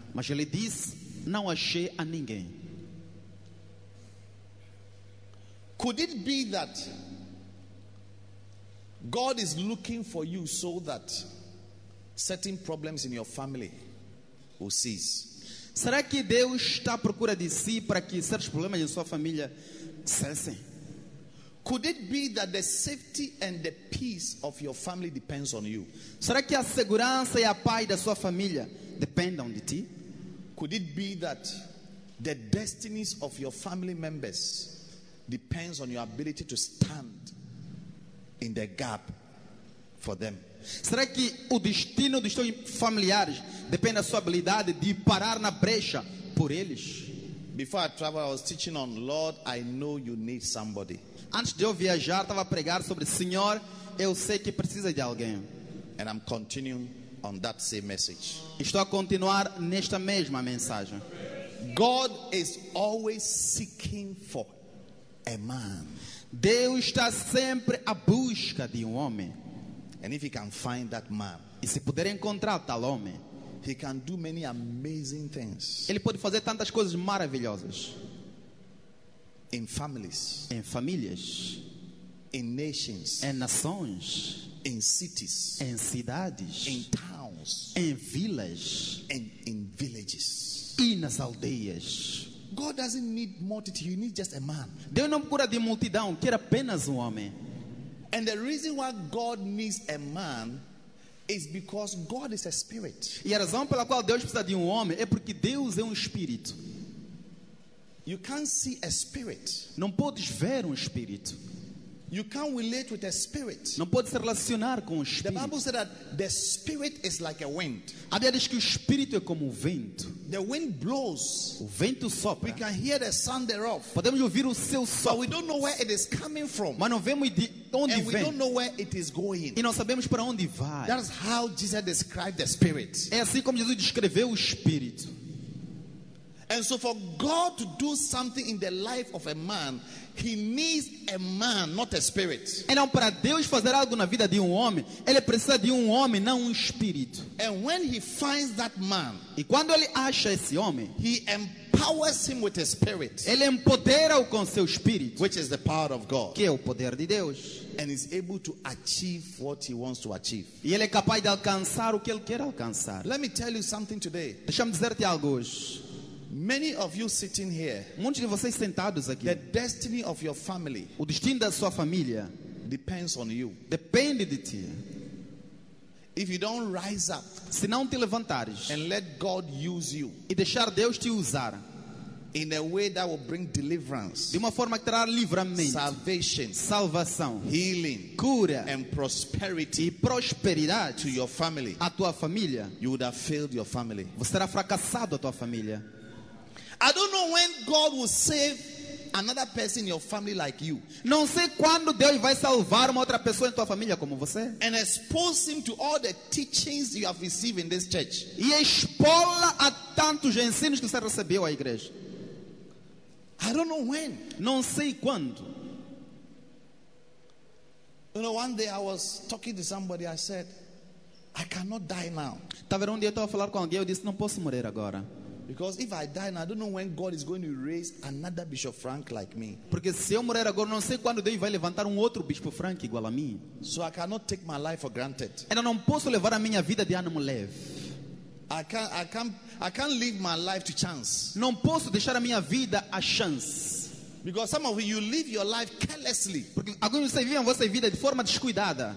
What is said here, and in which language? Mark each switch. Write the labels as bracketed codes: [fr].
[pt] Mas ele disse, não achei a ninguém. [en] Could it be that God is looking for you so that certain problems in your family will cease? [pt] Será que Deus está à procura de si para que certos problemas em sua família cessem? [en] Could it be that the safety and the peace of your family depends on you? [pt] Será que a segurança e a paz da sua família dependem de ti? [en] Could it be that the destinies of your family members depends on your ability to stand in the gap for them? [pt] Será que o destino dos seus familiares depende da sua habilidade de parar na brecha por eles? [en] Before I traveled, I was teaching on, Lord, I know you need somebody. [pt] Antes de eu viajar, estava a pregar sobre, Senhor, eu sei que precisa de alguém. [en] And I'm continuing on that same message. [pt] Estou a continuar nesta mesma mensagem. [en] God is always seeking for a man. [pt] Deus está sempre à busca de homem. [en] And if he can find that man, [pt] e se puder encontrar tal homem, [en] he can do many amazing things. [pt] Ele pode fazer tantas coisas maravilhosas. [en] In families, [pt] em famílias, [en] in nations, [pt] em nações, [en] in cities, [pt] em cidades, [en] in towns, [pt] em vilas, [en] and in villages, [pt] e nas aldeias. [en] God doesn't need multitude, he needs just a man. [pt] Deus não procura de multidão, quer apenas homem. [en] And the reason why God needs a man is because God is a spirit. [pt] E a razão pela qual Deus precisa de homem é porque Deus é espírito. [en] You can't see a spirit. [pt] Não podes ver espírito. [en] You can't relate with a spirit. [pt] Não podes se relacionar com espírito. [en] The Bible said that the spirit is like a wind. [pt] A Bíblia diz que espírito é como vento. [en] The wind blows. [pt] O vento sopra. [en] We can hear the sound thereof. [pt] Podemos ouvir o seu som. [en] But we don't know where it is coming from. [pt] Mas não vemos de onde vem. [en] And we don't know where it is going. [pt] E não sabemos para onde vai. [en] That's how Jesus described the spirit. [pt] É assim como Jesus descreveu o espírito. [en] And so for God to do something in the life of a man, he needs a man, not a spirit. [pt] Então, para Deus fazer algo na vida de homem, ele precisa de homem, não espírito. [en] And when he finds that man, [pt] e quando ele acha esse homem, [en] he empowers him with a spirit. [pt] Ele empodera-o com seu espírito, [en] which is the power of God. [pt] Que é o poder de Deus. [en] And is able to achieve what he wants to achieve. [pt] E ele é capaz de alcançar o que ele quer alcançar. [en] Let me tell you something today. [pt] Deixa-me dizer-te algo hoje. [en] Many of you sitting here. [pt] Muitos de vocês sentados aqui. [en] The destiny of your family. [pt] O destino da sua família [en] depends on you. [pt] Depende de ti. [en] If you don't rise up, [pt] se não te levantares, [en] and let God use you, [pt] e deixar Deus te usar, [en] in a way that will bring deliverance, [pt] de uma forma que trará livramento, [en] salvation, [pt] salvação, [en] healing, [pt] cura, [en] and prosperity, [pt] e prosperidade, [en] to your family, [pt] a tua família, [en] you would have failed your family. [pt] Você terá fracassado a tua família. [en] I don't know when God will save another person in your family like you. [pt] Não sei quando Deus vai salvar uma outra pessoa em tua família como você. [en] And expose him to all the teachings you have received in this church. [pt] E expô-la a tantos ensinos que você recebeu à igreja. [en] I don't know when. [pt] Não sei quando. [en] You know, one day I was talking to somebody. I said, I cannot die now. [pt] Estava um dia a falar com alguém. Eu disse, não posso morrer agora. [en] Because if I die now, I don't know when God is going to raise another Bishop Frank like me. [pt] Porque se eu morrer agora, não sei quando Deus vai levantar outro Bispo Frank igual a mim. [en] So I cannot take my life for granted. [pt] Eu não posso levar a minha vida de ânimo leve. [en] I can't leave my life to chance. [pt] Não posso deixar a minha vida a chance. [en] Because some of you live your life carelessly. [pt] Porque alguns de vocês vivem a sua vida de forma descuidada.